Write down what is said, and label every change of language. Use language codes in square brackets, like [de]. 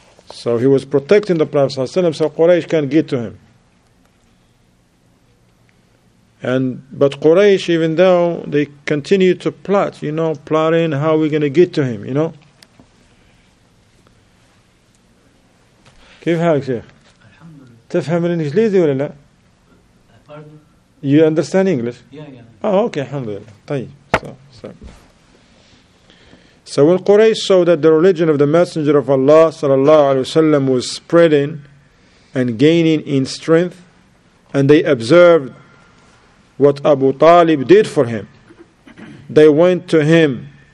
[en] So he was protecting the Prophet Sallallahu Alaihi Wasallam so Quraysh can't get to him. But Quraysh, even though they continue to plot, you know, plotting how we're going to get to him, you know. [ar] كيف حالك شيخ؟ تفهم الإنجليزي ولا لا؟ [en] You understand English? Yeah. Oh, okay. Alhamdulillah. طيب. So when Quraysh saw that the religion of the Messenger of Allah sallallahu alaihi wasallam was spreading and gaining in strength, and they observed what Abu Talib did for him, they went to him.